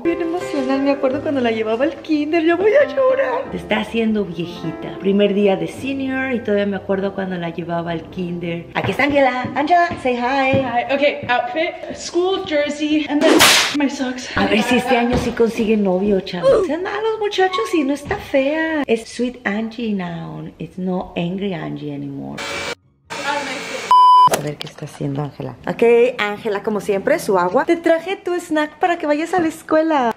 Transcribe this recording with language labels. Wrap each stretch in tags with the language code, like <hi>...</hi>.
<es>Bien emocional, me acuerdo cuando la llevaba al kinder. Yo voy a llorar. Te está haciendo viejita. Primer día de senior y todavía me acuerdo cuando la llevaba al kinder. Aquí está Ángela. Ángela,</es> <en>say hi. Hi. Okay, outfit, school jersey, and then my socks.</en> <es>A ver si este año sí consigue novio, chavos. Se andan a los muchachos y no está fea.</es> <en>Es sweet Angie now. It's no angry Angie anymore.</en> <es>A ver qué está haciendo Ángela. Ok, Ángela, como siempre, su agua. Te traje tu snack para que vayas a la escuela.</es>